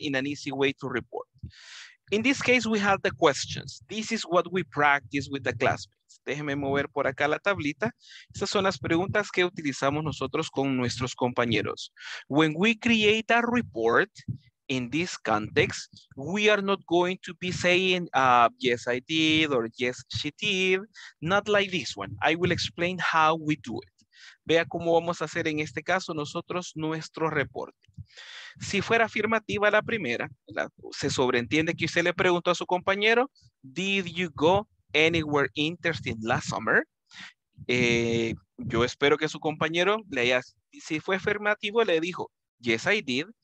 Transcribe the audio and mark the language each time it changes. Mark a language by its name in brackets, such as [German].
[English] In an easy way to report. In this case, we have the questions. This is what we practice with the classmates. [Spanish] Déjeme mover por acá la tablita. Estas son las preguntas que utilizamos nosotros con nuestros compañeros. [English] When we create a report in this context, we are not going to be saying, yes, I did, or yes, she did. Not like this one. I will explain how we do it. [Spanish] Vea cómo vamos a hacer en este caso nosotros nuestro reporte. Si fuera afirmativa la primera, se sobreentiende que usted le preguntó a su compañero, [English] did you go anywhere interesting last summer? [Spanish] Yo espero que su compañero le haya, si fue afirmativo, le dijo, [English] yes, I did.